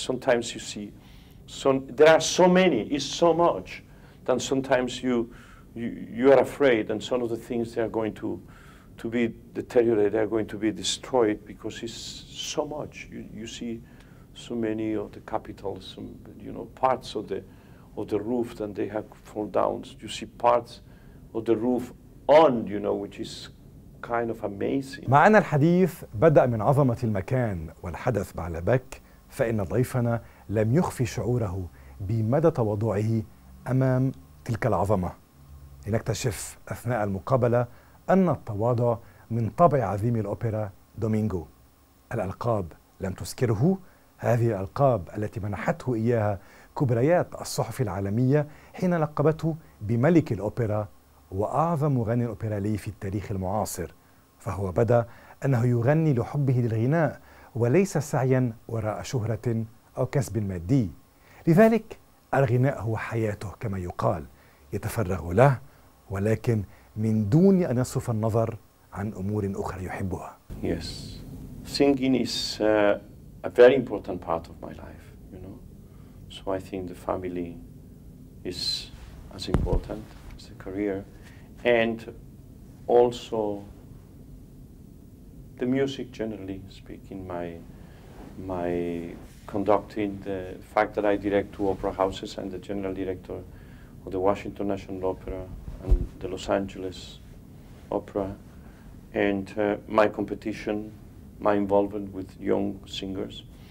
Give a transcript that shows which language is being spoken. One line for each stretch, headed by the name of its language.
English: Sometimes you see, there are so many, it's so much, that sometimes you are afraid, and some of the things they are going to be deteriorated, they are going to be destroyed because it's so much. You see so many of the capitals, some, you know, parts of the roof that they have fall down. You see parts of the roof on, you know, which is kind of amazing.
Arabic: معنا الحديث بدأ من عظمة المكان والحدث بعلبك، فإن ضيفنا لم يخفي شعوره بمدى تواضعه أمام تلك العظمة. لنكتشف أثناء المقابلة أن التواضع من طبع عظيم الأوبرا دومينغو. الألقاب لم تسكره، هذه الألقاب التي منحته إياها كبريات الصحف العالمية حين لقبته بملك الأوبرا وأعظم مغني أوبرالي في التاريخ المعاصر، فهو بدا أنه يغني لحبه للغناء وليس سعياً وراء شهرة أو كسب مادي. لذلك الغناء هو حياته كما يقال، يتفرغ له ولكن من دون أن يصرف النظر عن أمور أخرى يحبها.
English: Yes, singing is a very important part of my life, you know. So I think the family is as important as the career, and also the music, generally speaking, my conducting, the fact that I direct two opera houses and the general director of the Washington National Opera and the Los Angeles Opera, and my competition, my involvement with young singers.